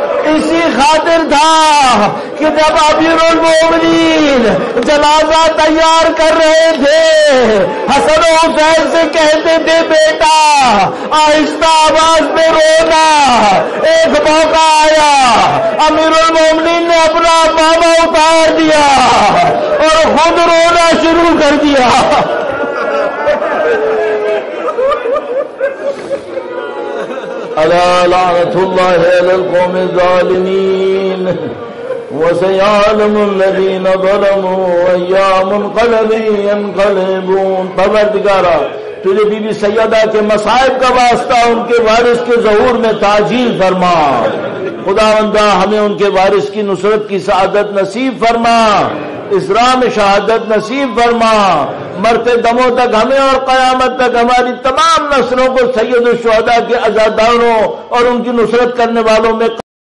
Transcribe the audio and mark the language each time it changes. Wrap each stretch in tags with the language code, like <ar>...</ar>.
<ur>اسی خاطر تھا کہ جب امیر المومنین جنازہ تیار کر رہے تھے، حسن و حسین سے کہتے تھے بیٹا آہستہ آواز میں رونا. ایک موقع آیا، امیر المومنین نے اپنا بابا اتار دیا اور خود رونا شروع کر دیا.</ur> <ar>الا لعنت اللہ علی القوم الظالمین وسيعلم الذين ظلموا ايام قلب ينقلبون.</ar> <ur>پروردگارا تجھے بی بی سیدہ کے مصائب کا واسطہ، ان کے وارث کے ظہور میں تعجیل فرما. خداوندہ ہمیں ان کے وارث کی نصرت کی سعادت نصیب فرما، اسراء میں شہادت نصیب فرما، مرتے دموں تک ہمیں اور قیامت تک ہماری تمام نسلوں کو سید الشہداء کے عزاداروں اور ان کی نصرت کرنے والوں میں</ur>